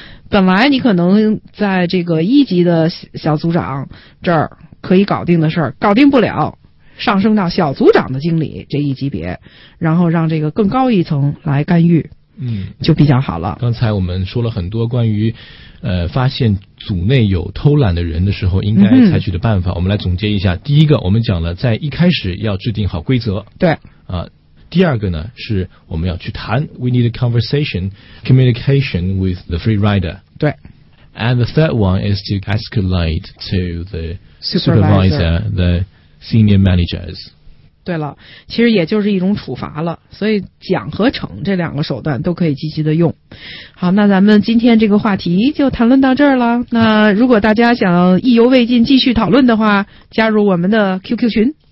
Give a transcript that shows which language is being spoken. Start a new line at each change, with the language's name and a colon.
Chinese: 本来你可能在这个一级的小组长这儿可以搞定的事儿，搞定不了，上升到小组长的经理这一级别，然后让这个更高一层来干预。就比较好了。刚才我们说了很多关于发现组内有偷懒的人的时候应该采取的办法，我们来总结一下。第一个，我们讲了在一开始要制定好规则。对。第二个呢，是我们要去谈
English: ,we need a conversation, communication with the free rider.
Chinese: 对。
English: And the third one is to escalate to the supervisor, the senior managers.
Chinese: 对了，其实也就是一种处罚了，所以奖和惩这两个手段都可以积极的用。好，那咱们今天这个话题就谈论到这儿了。那如果大家想意犹未尽继续讨论的话，加入我们的 QQ 群。